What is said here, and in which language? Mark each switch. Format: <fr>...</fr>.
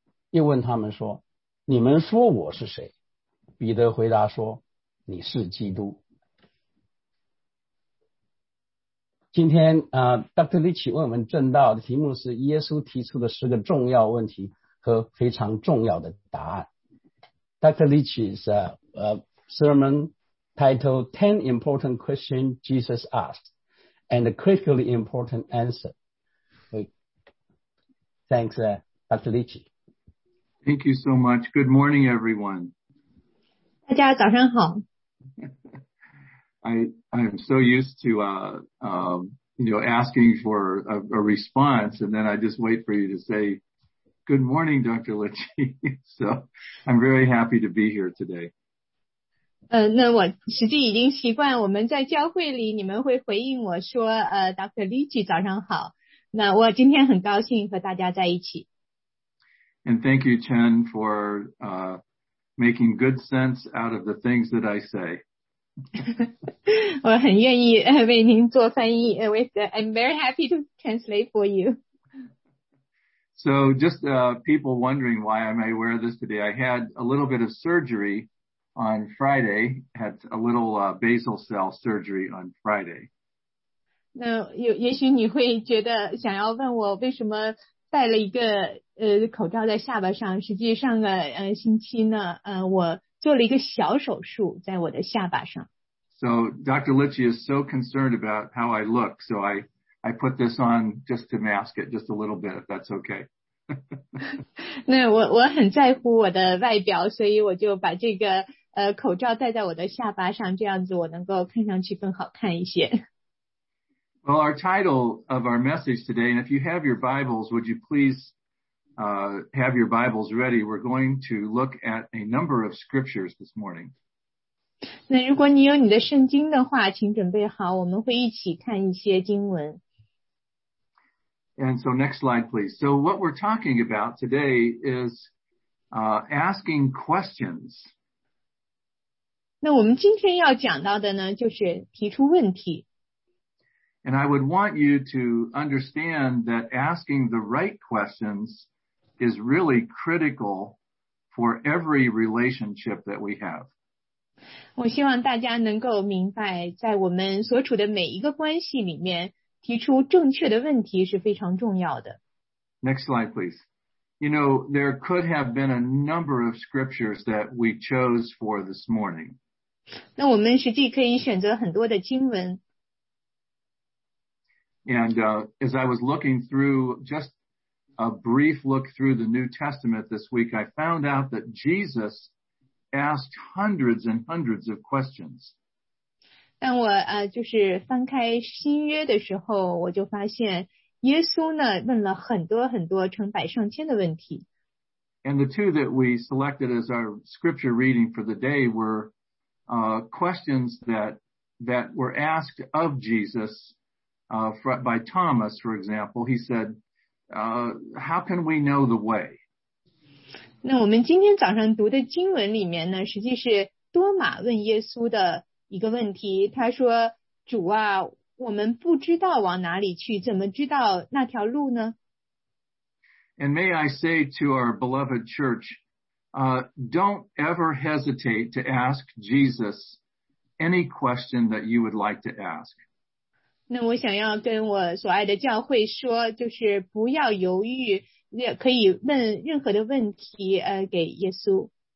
<zh>又问他们说，你们说我是谁？彼得回答说，你是基督。今天Dr. Litchi 问我们正道的题目是耶稣提出的十个重要问题和非常重要的答案。</zh> <en>Dr. Litchi's sermon titled 10 Important Questions Jesus Asked and a Critically Important Answer. Thanks, Dr. Litchi. Thank you so much. Good morning, everyone.</en> <zh>大家早上好。</zh> <en>I am so used to, asking for a response, and then I just wait for you to say, good morning, Dr. Litchi. So I'm very happy to be here today.</en> <zh>那我实际已经习惯，我们在教会里你们会回应我说Dr. Litchi 早上好，那我今天很高兴和大家在一起。</zh> <en>And thank you, Chen, for making good sense out of the things that I say.</en> <zh>我很愿意为您做翻译</zh> <en>I'm very happy to translate for you. So just people wondering why I may wear this today, I had a little bit of surgery on Friday, had a little basal cell surgery on Friday.</en> <zh>那也许你会觉得想要问我为什么戴了一个口罩在下巴上，实际上星期呢我做了一个小手术在我的下巴上。</zh> <en>So Dr. Litchi is so concerned about how I look, so I put this on just to mask it just a little bit, if that's okay.</en> <zh>那我很在乎我的外表，所以我就把这个口罩戴在我的下巴上，这样子我能够看上去更好看一些。</zh> <en>Well, our title of our message today, and if you have your Bibles, would you please have your Bibles ready? We're going to look at a number of scriptures this morning.</en> <zh>那如果你有你的圣经的话，请准备好，我们会一起看一些经文。</zh> <en>And so next slide, please. So what we're talking about today is asking questions.</en> <zh>那我们今天要讲到的呢，就是提出问题。</zh> <en>And I would want you to understand that asking the right questions is really critical for every relationship that we have.</en> <zh>我希望大家能够明白，在我们所处的每一个关系里面，提出正确的问题是非常重要的。</zh> <en>Next slide, please. You know, there could have been a number of scriptures that we chose for this morning.</en> <zh>那我们实际可以选择很多的经文。</zh> <en>And as I was looking through, just a brief look through the New Testament this week, I found out that Jesus asked hundreds and hundreds of questions.</en> <zh>当我就是翻开新约的时候，我就发现耶稣呢问了很多很多成百上千的问题。</zh> <en>And the two that we selected as our scripture reading for the day were questions that were asked of Jesus by Thomas, for example. He said, how can we know the way?</en> <zh>那我们今天早上读的经文里面呢，实际是多马问耶稣的一个问题，他说，主啊，我们不知道往哪里去，怎么知道那条路呢？</zh> <en>And may I say to our beloved church, don't ever hesitate to ask Jesus any question that you would like to ask.</en> <zh>那我想要跟我所爱的教会说，就是不要犹豫，也可以问任何的问题，给耶稣。</zh>